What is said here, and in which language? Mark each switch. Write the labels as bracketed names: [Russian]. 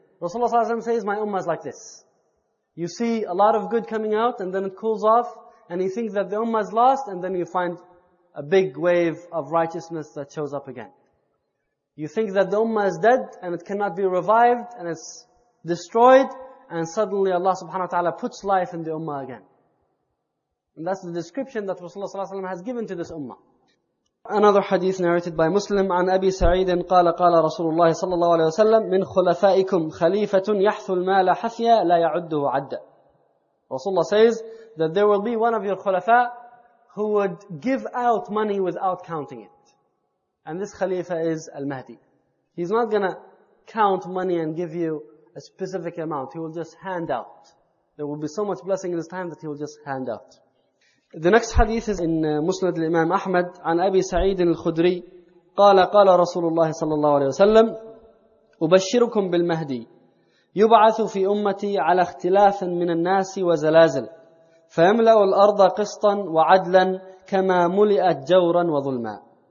[English] Rasulullah sallallahu alayhi wa sallam says, my ummah is like this. You see a lot of good coming out, and then it cools off, and you think that the ummah is lost, and then you find a big wave of righteousness that shows up again. You think that the ummah is dead, and it cannot be revived, and it's destroyed, and suddenly Allah subhanahu wa ta'ala puts life in the ummah again. And that's the description that Rasulullah sallallahu alayhi wa sallam has given to this ummah. Another hadith narrated by Muslim, [Arabic] عن أبي سعيد قال قال رسول الله صلى الله عليه وسلم من خلفائكم خليفة يحث المال حثيا لا يعده عدا. [English] Rasulullah says that there will be one of your khulafa who would give out money without counting it. And this khalifa is Al-Mahdi. He's not going to count money and give you a specific amount. He will just hand out. There will be so much blessing in his time that he will just hand out. The next hadith is in Musnad al-Imam Ahmad, [Arabic] عن أبي سعيد الخدري قال قال رسول الله صلى الله عليه وسلم أبشركم بالمهدي يبعث في أمتي على اختلاف من الناس وزلازل فيملأ الأرض قسطا وعدلا كما ملئت جورا وظلما.